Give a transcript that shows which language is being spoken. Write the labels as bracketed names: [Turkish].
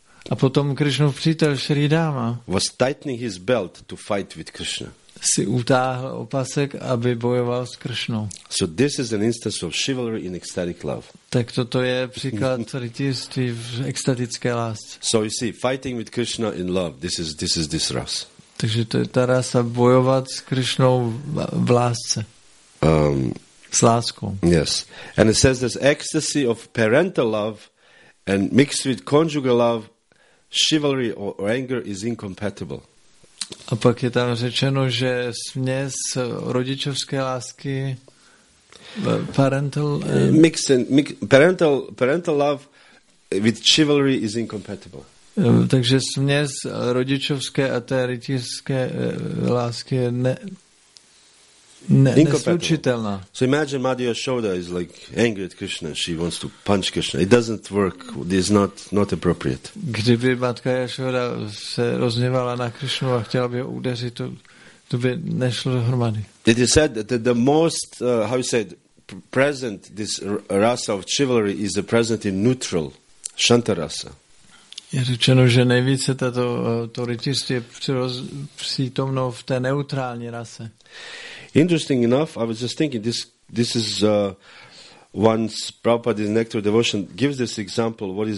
[Czech] A potom Krishnův přítel Shri Dama. [English] Was tightening his belt to fight with Krishna. [Czech] Si utáhl opasek, aby bojoval s Krishnou. [English] So this is an instance of chivalry in ecstatic love. [Czech] Tak toto je příklad rytířství v extatické lásce. [English] So you see, fighting with Krishna in love, this is this ras. [Czech] Takže to je ta rasa bojovat s Krishnou v lásce. S láskou. [English] Yes. And it says this ecstasy of parental love and mixed with conjugal love, chivalry or anger is incompatible. [Czech] A pak je tam řečeno, že směs rodičovské lásky parental [English] love with chivalry is incompatible. [Czech] Takže směs rodičovské a té rytířské lásky neslučitelná. [English] So imagine Madhya Yashoda is like angry at Krishna, she wants to punch Krishna. It doesn't work. It is not appropriate. [Czech] Kdyby matka Yashoda se rozněvala na Krishnu a chtěla by ho udeřit, to by nešlo dohromady. [English] It is said that the most how you said present this rasa of chivalry is the present in neutral shantarasa. [Czech] Je řečeno, že nejvíce tato to rytířství je přítomno v té neutrální rase. [English] Interesting enough, I was just thinking this is once Prabhupada in Nectar of Devotion gives this example.